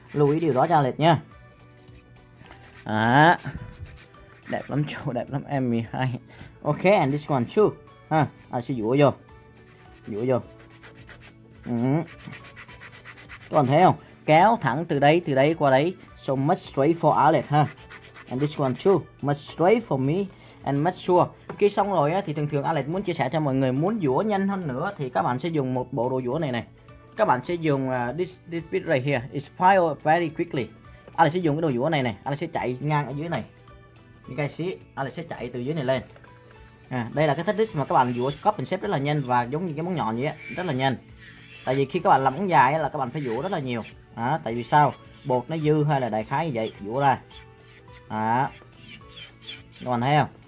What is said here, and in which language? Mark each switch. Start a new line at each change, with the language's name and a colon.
Vietnamese: Lưu ý điều đó cho Alex nha. À, đẹp lắm chú, đẹp lắm em mì hai. Ok, and this one too ha. À, sẽ dũa vô, dũa vô. Các bạn thấy không, kéo thẳng từ đây qua đấy.
English: So much straight for Alex ha. And this one too, much straight for me.
Vietnamese: And make sure khi xong rồi á, thì thường thường Alex muốn chia sẻ cho mọi người, muốn dũa nhanh hơn nữa thì các bạn sẽ dùng một bộ đồ dũa này này.
English: Các bạn sẽ dùng this bit right here, it's file very quickly.
Vietnamese: Alex sẽ dùng cái đồ dũa này này, Alex sẽ chạy ngang ở dưới này. You guys see, Alex sẽ chạy từ dưới này lên. À, đây là cái technique mà các bạn dũa cup and shape rất là nhanh và giống như cái móng nhọn vậy á, rất là nhanh. Tại vì khi các bạn làm móng dài á, là các bạn phải dũa rất là nhiều. À, tại vì sao? Bột nó dư hay là đại khái như vậy, dũa ra. À, các bạn thấy không?